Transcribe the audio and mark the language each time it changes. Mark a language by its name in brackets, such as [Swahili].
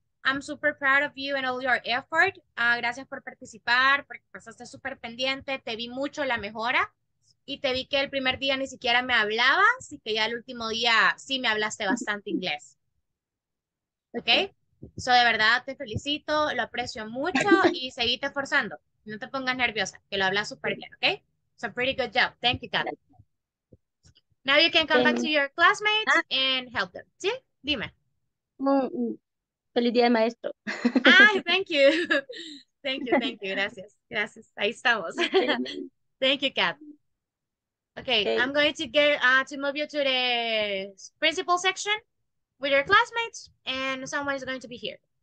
[English] I'm super proud of you and all your effort. [Spanish] Gracias por participar, porque pasaste súper pendiente. Te vi mucho la mejora. Y te vi que el primer día ni siquiera me hablabas y que ya el último día sí me hablaste bastante inglés. Okay? So, de verdad, te felicito. Lo aprecio mucho y seguite esforzando. No te pongas nerviosa, que lo hablas súper bien, okay? [English] So, pretty good job. Thank you, Kat. Now you can come back to your classmates and help them. [Spanish] ¿Sí? Dime. Feliz día, maestro. [English] Ay, thank you. Thank you, thank you. [Spanish] Gracias. Gracias. Ahí estamos. [English] Thank you, Kat. Okay, okay, I'm going to get to move you to the principal section with your classmates, and someone is going to be here.